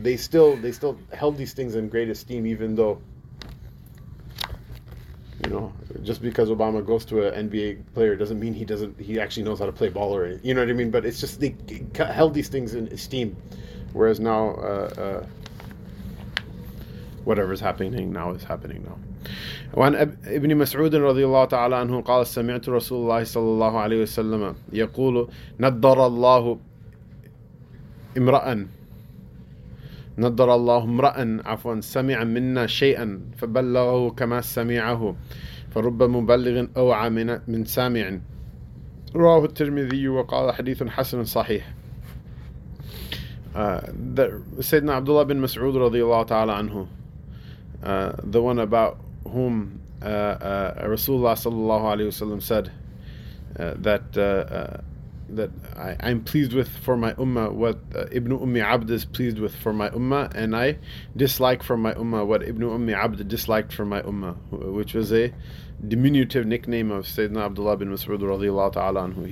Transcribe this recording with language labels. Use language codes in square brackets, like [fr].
[en] They still held these things in great esteem, even though, you know, just because Obama goes to an NBA player doesn't mean he actually knows how to play ball, or you know what I mean. But it's just they held these things in esteem, whereas now whatever's happening now is happening now. [ar] وعن ابن مسعود رضي الله تعالى عنه قال سمعت رسول الله صلى الله عليه وسلم يقول نضر الله امرأً نضر الله امرأ عفوا سمع منا شيئا فبلغه كما سمعه فرب مبلغ أوعى من سامع. رواه الترمذي وقال حديث حسن صحيح. [en] That Sayyidina Abdullah bin Mas'ud radiallahu ta'ala anhu, the one about whom Rasulullah sallallahu alayhi wasallam said that I'm pleased with for my ummah what Ibn Ummi Abd is pleased with for my ummah, and I dislike for my ummah what Ibn Ummi Abd disliked for my ummah, which was a diminutive nickname of Sayyidina Abdullah bin Mas'ud radiallahu ta'ala anhu.